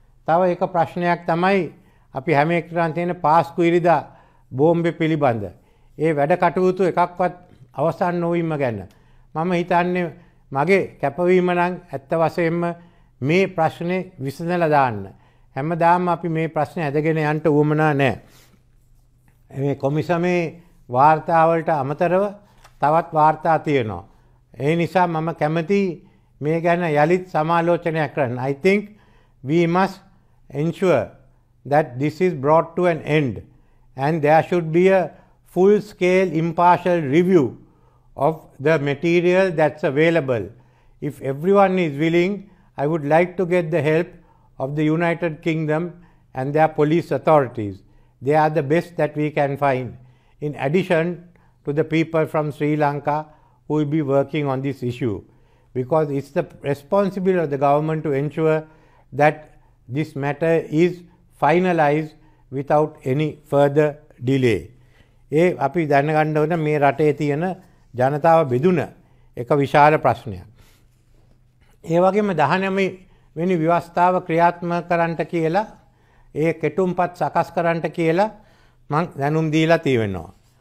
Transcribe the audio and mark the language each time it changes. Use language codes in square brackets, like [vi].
[si] තව එක ප්‍රශ්නයක් තමයි අපි හැම එක්කරන් තියෙන පාස්කු ඉරිදා බෝම්බේ පිළිබඳ ඒ වැඩ කටයුතු එකක්වත් අවසන් නොවීම ගැන මම හිතන්නේ මගේ කැපවීම නම් ඇත්ත වශයෙන්ම මේ ප්‍රශ්නේ විසඳලා දාන්න. හැමදාම අපි මේ ප්‍රශ්නේ ඇදගෙන යන්න උවමනා නැහැ. මේ කොමිසමේ වාර්තාවලට අමතරව තවත් වාර්තා තියෙනවා. ඒ නිසා මම කැමති මේ ගැන යලිත් සමාලෝචනයක් කරන්න. [en] I think we must ensure that this is brought to an end and there should be a full scale impartial review of the material that's available. If everyone is willing, I would like to get the help of the United Kingdom and their police authorities. They are the best that we can find, in addition to the people from Sri Lanka who will be working on this issue, because it's the responsibility of the government to ensure that this matter is finalized without any further delay. [si] ඒ අපි දැනගන්න ඕන මේ රටේ තියෙන ජනතාව බෙදුන එක විශාල ප්‍රශ්නයක්. ඒ වගේම 19 වෙනි ව්‍යවස්ථාව ක්‍රියාත්මක කරන්නට කියලා ඒ කෙටුම්පත් සකස් කරන්නට කියලා මම දැනුම් දීලා තියෙනවා.